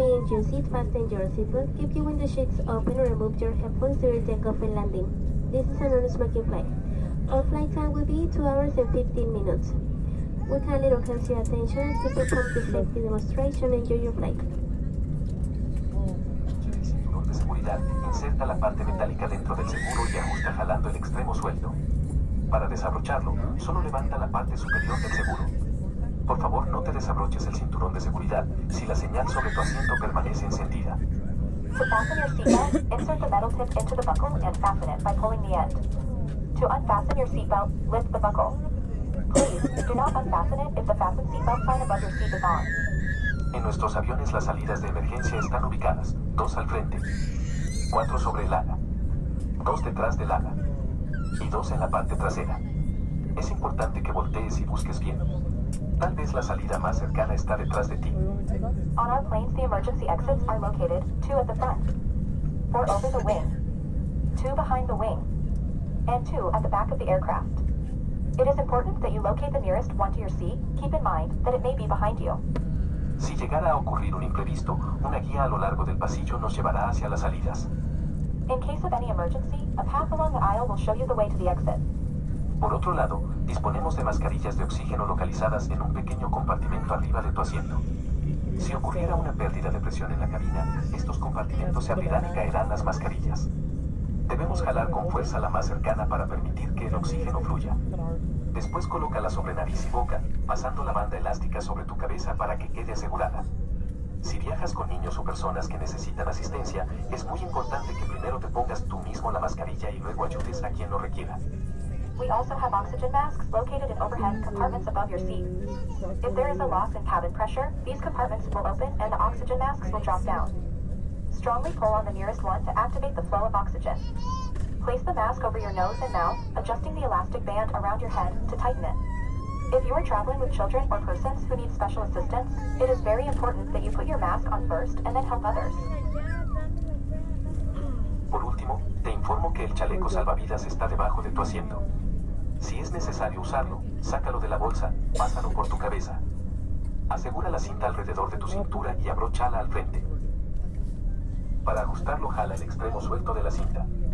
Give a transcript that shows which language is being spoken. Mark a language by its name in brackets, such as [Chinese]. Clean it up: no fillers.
[English] Your seat fasten your seatbelt, keep your window sheets open, or remove your headphones during takeoff and landing. This is a non-smoking flight. Our flight time will be 2 hours and 15 minutes. We kindly request your attention to perform the safety demonstration. Enjoy your flight. [Spanish] Cinturón de seguridad. Inserta la parte metálica dentro del seguro y ajusta jalando el extremo suelto. Para desabrocharlo, solo levanta la parte superior del seguro. Por favor, no te desabroches el cinturón de seguridad si la señal sobre tu asiento permanece encendida. [English] To fasten your seatbelt, insert the metal tip into the buckle and fasten it by pulling the end. To unfasten your seatbelt, lift the buckle. Please, do not unfasten it if the fastened seatbelt sign above your seat is on. [Spanish] En nuestros aviones, las salidas de emergencia están ubicadas: 2 al frente, 4 sobre el ala, 2 detrás del ala y 2 en la parte trasera. Es importante que voltees y busques bien. Tal vez la salida más cercana está detrás de ti. [English] On our planes, the emergency exits are located 2 at the front, 4 over the wing, 2 behind the wing, and 2 at the back of the aircraft. It is important that you locate the nearest one to your seat. Keep in mind that it may be behind you. [Spanish] Si llegara a ocurrir un imprevisto, una guía a lo largo del pasillo nos llevará hacia las salidas. [English] In case of any emergency, a path along the aisle will show you the way to the exit. [Spanish] Por otro lado, disponemos de mascarillas de oxígeno localizadas en un pequeño compartimento arriba de tu asiento. Si ocurriera una pérdida de presión en la cabina, estos compartimentos se abrirán y caerán las mascarillas. Debemos jalar con fuerza la más cercana para permitir que el oxígeno fluya. Después colócala sobre nariz y boca, pasando la banda elástica sobre tu cabeza para que quede asegurada. Si viajas con niños o personas que necesitan asistencia, es muy importante que primero te pongas tú mismo la mascarilla y luego ayudes a quien lo requiera. [English] We also have oxygen masks located in overhead compartments above your seat. If there is a loss in cabin pressure, these compartments will open and the oxygen masks will drop down. Strongly pull on the nearest one to activate the flow of oxygen. Place the mask over your nose and mouth, adjusting the elastic band around your head to tighten it. If you are traveling with children or persons who need special assistance, it is very important that you put your mask on first and then help others. [Spanish] Por último, te informo que el chaleco salvavidas está debajo de tu asiento. Si es necesario usarlo, sácalo de la bolsa, pásalo por tu cabeza. Asegura la cinta alrededor de tu cintura y abróchala al frente. Para ajustarlo, jala el extremo suelto de la cinta.